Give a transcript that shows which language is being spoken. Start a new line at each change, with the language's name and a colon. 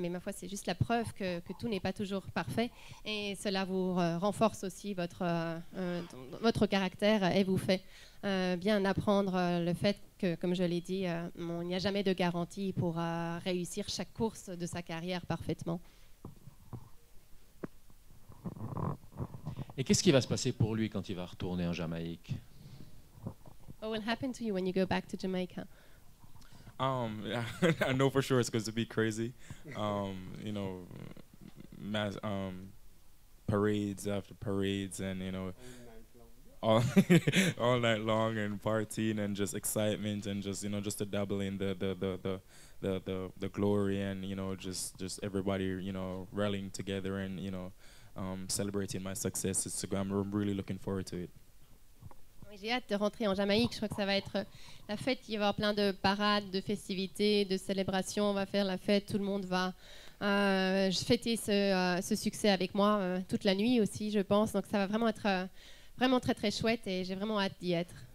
French: Mais ma foi, c'est juste la preuve que tout n'est pas toujours parfait. Et cela vous renforce aussi votre caractère et vous fait bien apprendre le fait que, comme je l'ai dit, il n'y a jamais de garantie pour réussir chaque course de sa carrière parfaitement. Et qu'est-ce qui va se passer pour lui quand il va retourner en Jamaïque?
English: What will happen to you when you go back to Jamaica? I know for sure it's going to be crazy. You know, mass parades after parades, and you know, all night long and partying and just excitement and just, you know, just a doubling the glory, and you know, just everybody, you know, rallying together and you know, celebrating my success. So I'm really looking forward to it.
French: J'ai hâte de rentrer en Jamaïque. Je crois que ça va être la fête. Il va y avoir plein de parades, de festivités, de célébrations. On va faire la fête. Tout le monde va fêter ce succès avec moi toute la nuit aussi, je pense. Donc ça va vraiment être vraiment très, très chouette et j'ai vraiment hâte d'y être.